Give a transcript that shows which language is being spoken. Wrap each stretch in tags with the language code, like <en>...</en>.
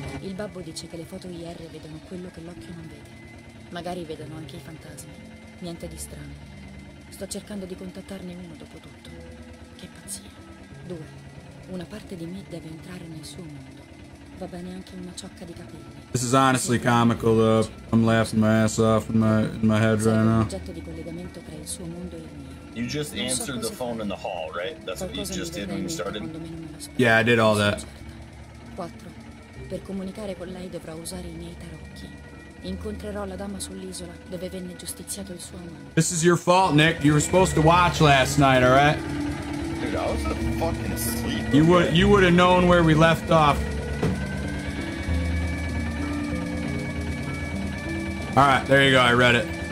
<it>Il babbo dice che le foto IR vedono quello che l'occhio non vede. Magari vedono anche i fantasmi. Niente di strano. Sto cercando di contattarne uno dopo tutto. Che pazzia. Due. Una parte di me deve entrare nel suo mondo. Va bene anche una ciocca di capelli.</it> <en>This is honestly comical, though. I'm laughing my ass off in my head right now.</en> <it>Oggetto di collegamento tra il suo mondo e il mio.</it> <en>You just answered the phone in the hall, right? That's what you just did when you started. Yeah, I did all that.</en> <it>Quattro. Per comunicare con lei dovrò usare i miei tarocchi. Incontrerò la dama sull'isola dove venne giustiziato il suo amante.</it> <en>This is your fault, Nick. You were supposed to watch last night, all right? Dude, I was fucking asleep. You would have known where we left off. All right, there you go. I read it.</en>